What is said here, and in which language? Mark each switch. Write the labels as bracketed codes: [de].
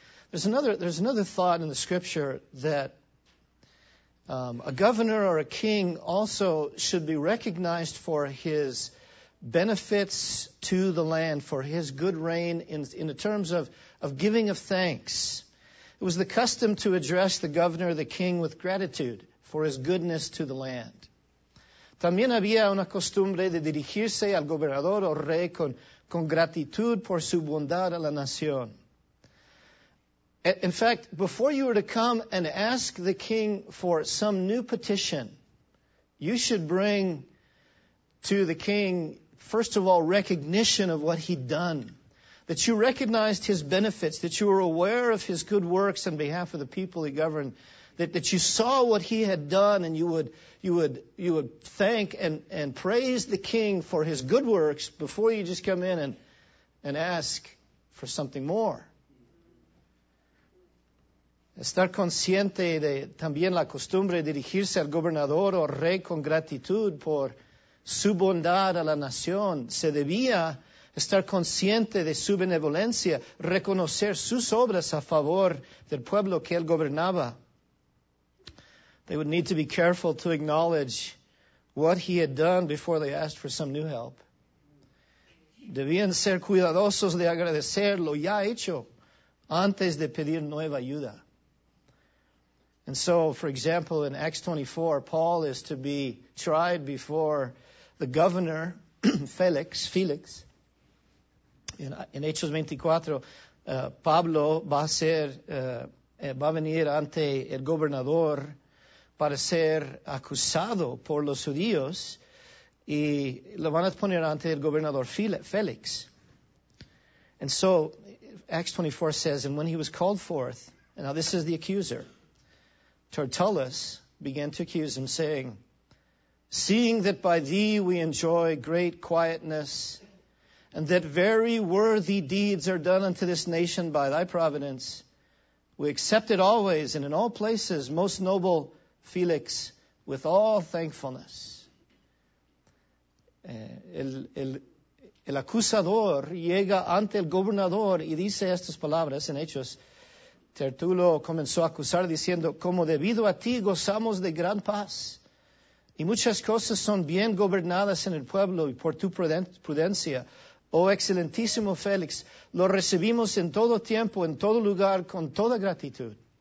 [en] There's another thought in the scripture that a governor or a king also should be recognized for his benefits to the land, for his good reign in the terms of giving of thanks. It was the custom to address the governor or the king with gratitude for his goodness to the land. [es] También había una costumbre de dirigirse al gobernador o rey con gratitud por su bondad a la nación. [en] In fact, before you were to come and ask the king for some new petition, you should bring to the king, first of all, recognition of what he'd done. That you recognized his benefits, that you were aware of his good works on behalf of the people he governed, that you saw what he had done, and you would thank and praise the king for his good works before you just come in and ask for something more. [es] Estar consciente de también la costumbre de dirigirse al gobernador o rey con gratitud por su bondad a la nación. Se debía estar consciente de su benevolencia, reconocer sus obras a favor del pueblo que él gobernaba. [en] They would need to be careful to acknowledge what he had done before they asked for some new help. [es] Debían ser cuidadosos de agradecer lo ya hecho antes de pedir nueva ayuda. [en] And so, for example, in Acts 24, Paul is to be tried before the governor, Felix. [es] In Hechos 24, Pablo va a venir ante el gobernador para ser acusado por los judíos, y lo van a poner ante el gobernador Felix. [en] And so, Acts 24 says, and when he was called forth, and now this is the accuser, Tertullus began to accuse him, saying, seeing that by thee we enjoy great quietness, and that very worthy deeds are done unto this nation by thy providence, we accept it always and in all places, most noble Felix, with all thankfulness. [es] El acusador llega ante el gobernador y dice estas palabras en Hechos. Tertulo comenzó a acusar diciendo, como debido a ti gozamos de gran paz, y muchas cosas son bien gobernadas en el pueblo y por tu prudencia, oh excelentísimo Félix, lo recibimos en todo tiempo, en todo lugar, con toda gratitud.